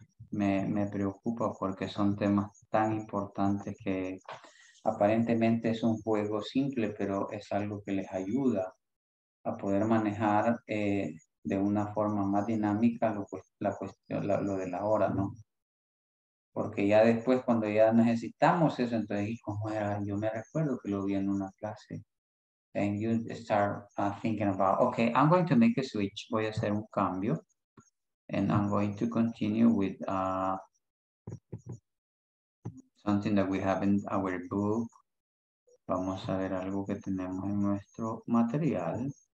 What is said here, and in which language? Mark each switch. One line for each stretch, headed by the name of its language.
Spanish: Me preocupa porque son temas tan importantes que aparentemente es un juego simple, pero es algo que les ayuda a poder manejar de una forma más dinámica lo de la hora, ¿no? Porque ya después, cuando ya necesitamos eso, entonces, ¿cómo era? Yo me recuerdo que lo vi en una clase.
English: And you start thinking about, okay, I'm going to make a switch.
Spanish: Voy a hacer un cambio.
English: And I'm going to continue with something that we have in our book.
Spanish: Vamos a ver algo que tenemos en nuestro material.